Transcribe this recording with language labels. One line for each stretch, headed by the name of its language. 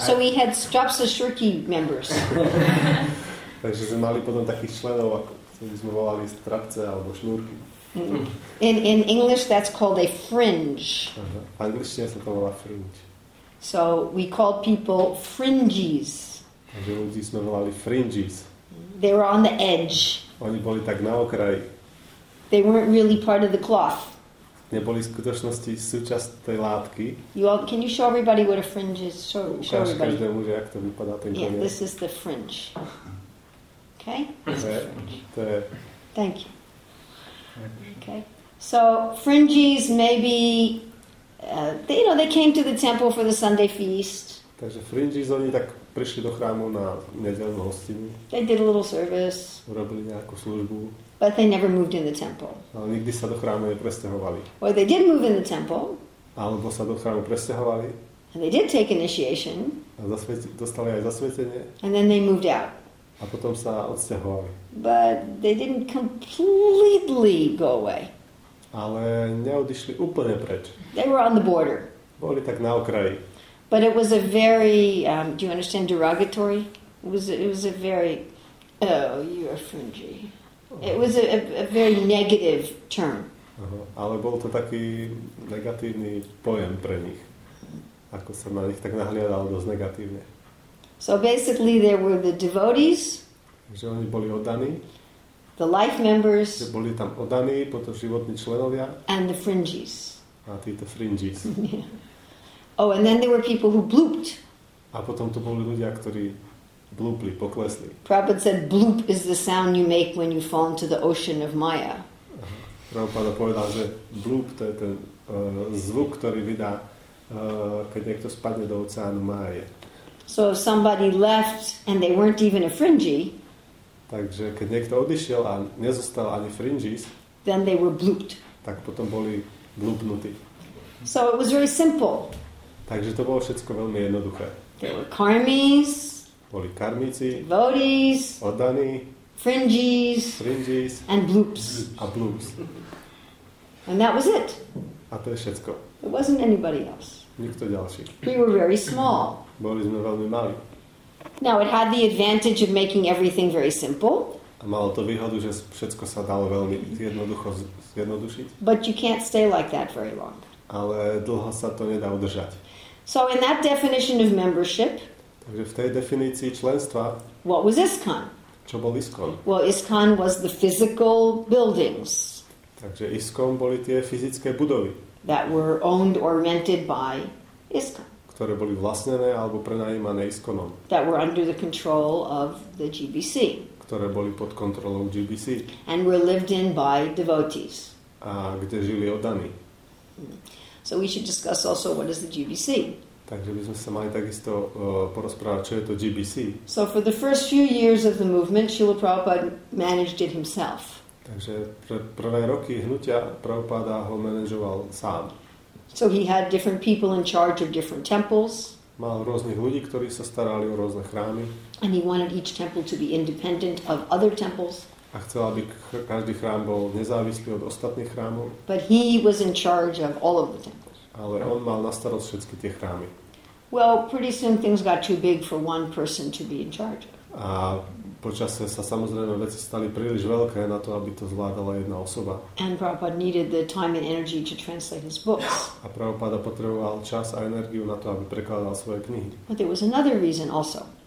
English: So we had
Slovak: strapce shurki
English: members.
Slovak: Takže sme mali potom takých členov, ako sme volali strapce alebo šnúrky.
English: In English that's called a fringe.
Slovak: V angličtine sa to volá fringe.
English: So we called people fringes.
Slovak: Takže ľudí sme volali fringes.
English: They were on the edge.
Slovak: Oni boli tak na okraji.
English: They weren't really part of the cloth.
Slovak: Neboli v skutočnosti súčasť tej látky.
English: Can you show everybody what a fringe is? Show everybody.
Slovak: Ukáž každému, že jak to vypadá ten koniec.
English: Yeah, this is the fringe. Okay?
Slovak: To je.
English: Thank you. Okay. So, fringes maybe, they came to the temple for the Sunday feast.
Slovak: Takže fringes, oni tak prišli do chrámu na nedeľnú hostinu.
English: They did a little service.
Slovak: Urobili nejakú službu.
English: But they never moved in the temple.
Slovak: Ale nikdy sa do chrámu nepresťahovali.
English: Or they did move in the temple.
Slovak: Alebo sa do chrámu presťahovali.
English: And they did take initiation.
Slovak: A dostali aj zasvetenie.
English: And then they moved out.
Slovak: A potom sa odsťahovali.
English: But they didn't completely go away.
Slovak: Ale neodišli úplne preč.
English: They were on the border.
Slovak: Boli tak na okraji.
English: But it was a very, do you understand, derogatory? It was a very, you're fringy. It was a very negative term.
Slovak: Ale bol to taký negatívny pojem pre nich. Ako sa na nich tak nahliadalo dosť negatívne.
English: So basically there were the devotees.
Slovak: Že oni boli oddaní.
English: The life members.
Slovak: Že boli tam oddaní, potom životní členovia.
English: And the fringes.
Slovak: A títo fringes.
English: Yeah. Oh, and then there were people who blooped.
Slovak: A potom to boli ľudia, ktorí blúpli, poklesli.
English: Prabhupada said, bloop is the sound you make when you fall into the ocean of Maya.
Slovak: Prabhupada povedal, že bloop to je ten zvuk, ktorý vydá, keď niekto spadne do oceánu Maya.
English: So if somebody left and they weren't even a fringy,
Slovak: takže keď niekto odišiel a nezostal ani fringes,
English: then they were blooped.
Slovak: Tak potom boli blúpnutí.
English: So it was very simple.
Slovak: Takže to bolo všetko veľmi jednoduché.
English: They were karmis.
Slovak: Boli karmíci,
English: devotees,
Slovak: oddaní,
English: fringes, and bloops.
Slovak: A bloops.
English: And that was it.
Slovak: A to je všetko.
English: It wasn't anybody else.
Slovak: Nikto ďalší.
English: We were very small.
Slovak: Boli sme veľmi mali.
English: Now it had the advantage of making everything very simple.
Slovak: A malo to výhodu, že všetko sa dalo veľmi jednoducho zjednodušiť.
English: But you can't stay like that very long.
Slovak: Ale dlho sa to nedá udržať.
English: So in that definition of membership,
Slovak: takže v tej definícii členstva,
English: what was ISKCON?
Slovak: Čo bol ISKCON?
English: Well, ISKCON was the physical buildings.
Slovak: Takže ISKCON boli tie fyzické budovy.
English: That were owned or rented by ISKCON.
Slovak: Ktoré boli vlastnené alebo prenajímané ISKCONom.
English: That were under the control of the GBC.
Slovak: Ktoré boli pod kontrolou GBC.
English: And were lived in by devotees.
Slovak: A kde žili oddaní.
English: So we should discuss also what is the GBC.
Slovak: Takže by sme sa mali takisto porozprávať, čo je to GBC.
English: So for the first few years of the movement, Srila Prabhupada managed it himself.
Slovak: Takže prvé roky hnutia Prabhupada ho manažoval sám.
English: So he had different people in charge of different temples.
Slovak: Mal rôznych ľudí, ktorí sa starali o rôzne chrámy.
English: And he wanted each temple to be independent of other temples.
Slovak: A chcel, aby každý chrám bol nezávislý od ostatných chrámov.
English: But he was in charge of all of the temples.
Slovak: Ale on mal na starost všetky tie chrámy.
English: Well, pretty soon things got too big for one person to be in charge.
Slovak: A počase sa samozrejme veci stali príliš veľké na to, aby to zvládala jedna osoba.
English: And Prabhupada needed the time and energy to translate his books.
Slovak: A Prabhupada potreboval čas a energiu na to, aby prekladal svoje knihy.
English: But there was another reason also.